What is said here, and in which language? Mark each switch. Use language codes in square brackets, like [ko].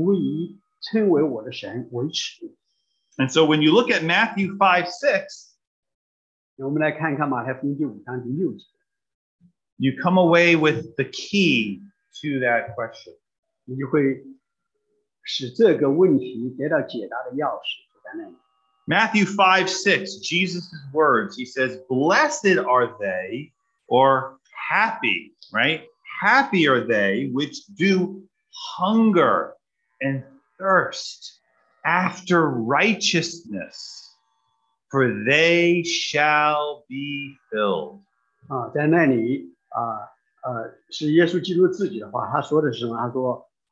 [zh] 因为我希望，我特别的渴慕有这样的一个情况，就是当我见神的时候，神不以称为我的神为耻。 [en] And so when you look at Matthew 5:6, [zh] 我们来看看马太福音第五章第六节, [en] you come away with the key to that question. [zh] 你就会使这个问题得到解答的钥匙在那里。 [en] Matthew 5:6, Jesus' words, he says, blessed are they, or happy, right? Happy are they which do hunger and thirst after righteousness, for they shall be filled. [zh] 在那里，是耶稣基督自己的话，他说的是什么？他说，